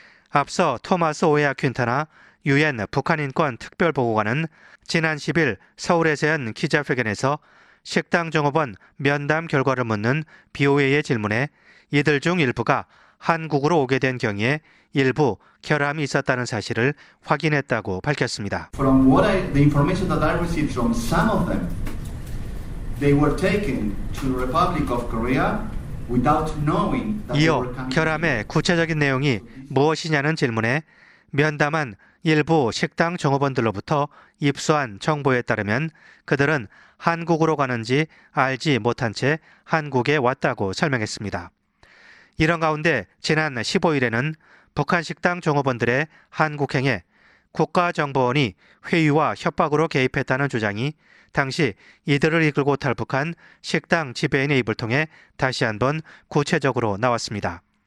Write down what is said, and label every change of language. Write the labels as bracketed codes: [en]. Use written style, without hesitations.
[ko] 앞서 토마스 오야 퀸타나 유엔 북한인권특별보고관은 지난 10일 서울에서 연 기자회견에서 식당 종업원 면담 결과를 묻는 BOA의 질문에 이들 중 일부가 한국으로 오게 된 경위에 일부 결함이 있었다는 사실을 확인했다고 밝혔습니다. [en] From what the information that I received from some of them, they were taken to the Republic of Korea without knowing that they were coming. [ko] 이어 결함의 구체적인 내용이 무엇이냐는 질문에 면담한 일부 식당 종업원들로부터 입수한 정보에 따르면 그들은 한국으로 가는지 알지 못한 채 한국에 왔다고 설명했습니다. 이런 가운데 지난 15일에는 북한 식당 종업원들의 한국 행에 국가정보원이 회유와 협박으로 개입했다는 주장이 당시 이들을 이끌고 탈북한 식당 지배인의 입을 통해 다시 한번 구체적으로 나왔습니다.